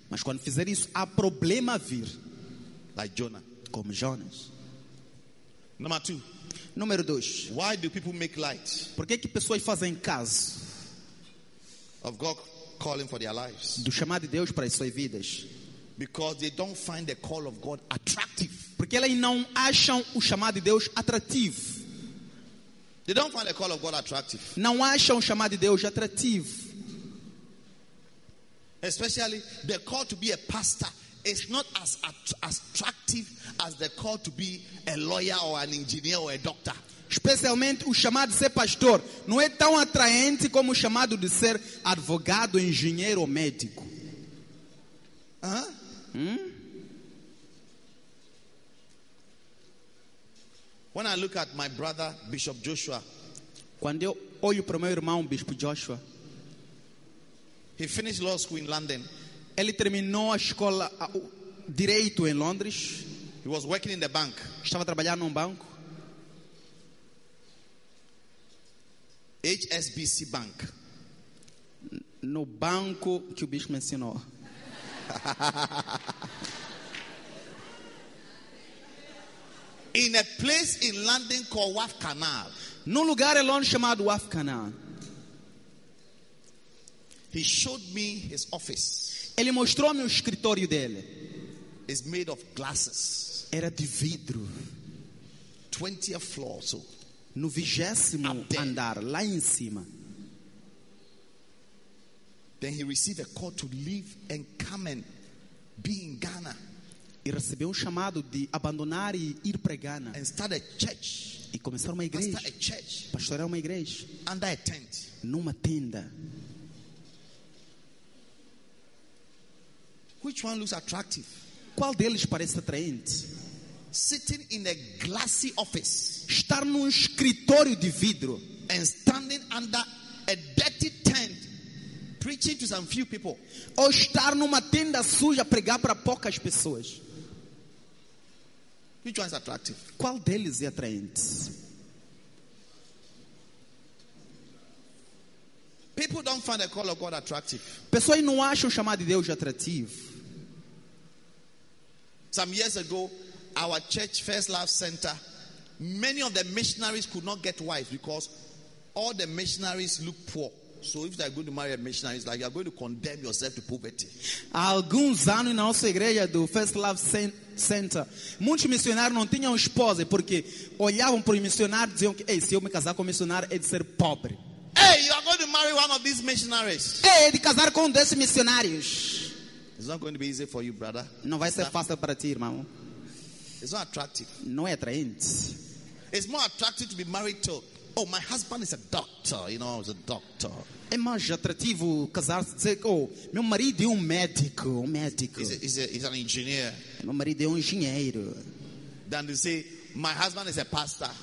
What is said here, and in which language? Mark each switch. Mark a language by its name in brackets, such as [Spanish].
[Portuguese] Mas quando fizer isso, há problema a vir. [English] Like Jonah. [Portuguese] Como Jonas. [English] Number two. [Portuguese] Número dois. [English] Why do people make light? [Portuguese] Por que que pessoas fazem caso [English] of God calling for their lives? [Portuguese] Do chamado de Deus para as suas vidas. [English] Because they don't find the call of God attractive. [Portuguese] Porque elas não acham o chamado de Deus atrativo. [English] They don't find the call of God attractive. [Portuguese] Não acham o chamado de Deus atrativo. [English] Especially the call to be a pastor is not as attractive as the call to be a lawyer or an engineer or a doctor. [Portuguese] Especialmente o chamado de ser pastor não é tão atraente como o chamado de ser advogado, engenheiro ou médico. [English] When I look at my brother Bishop Joshua, [Portuguese] quando eu olho para meu irmão Bispo Joshua, [English] he finished law school in London. [Portuguese] Ele terminou a escola direito em Londres. [English] He was working in the bank. [Portuguese] Estava trabalhando num banco. [English] HSBC Bank. [Portuguese] No banco que o Bispo me ensinou. [English] In a place in London called Waff Canal. [Portuguese] Num lugar em Londres chamado Waff Canal. [English] He showed me his office. [Portuguese] Ele mostrou-me o escritório dele. [English] It's made of glasses. [Portuguese] Era de vidro. [English] 20th floor, so. [Portuguese] No 20º andar, lá em cima. [English] Then he received a call to leave and come and be in Ghana. [Portuguese] E recebeu um chamado de abandonar e ir para Ghana. [English] And start a church. [Portuguese] E começar uma igreja. [English] Start a church. [Portuguese] Pastorear uma igreja. [English] Under a tent. [Portuguese] Numa tenda. [English] Which one looks attractive? [Portuguese] Qual deles parece atraente? [English] Sitting in a glassy office. [Portuguese] Estar num escritório de vidro. [English] And standing under a dirty tent, preaching to some few people. [Portuguese] Ou estar numa tenda suja pregar para poucas pessoas. [English] Which one is attractive? [Portuguese] Qual deles é atraente? [English] People don't find the call of God attractive. [Portuguese] Pessoas não acham o chamado de Deus atrativo. [English] Some years ago, our church First Love Center, many of the missionaries could not get wives because all the missionaries look poor. So if they're going to marry a missionary, it's like you're going to condemn yourself to poverty. [Portuguese] Alguns anos na nossa igreja do First Love Center, muitos missionários não tinham esposa porque olhavam para o missionário e diziam que, ei, se eu me casar com o missionário, é de ser pobre. [English] Hey, you are going to marry one of these missionaries. [Portuguese] Ei, é de casar com um desses missionários. [English] It's not going to be easy for you, brother. [Portuguese] Não vai ser fácil para ti, irmão. [English] It's not attractive. [Portuguese] Não é atraente. [English] It's more attractive to be married to, oh, my husband is a doctor, you know, he's a doctor. [Portuguese] É mais atrativo casar-se, dizer, oh, meu marido é um médico. [English] He's an engineer. [Portuguese] Meu marido é um engenheiro. [English] Than to say, my husband is a pastor.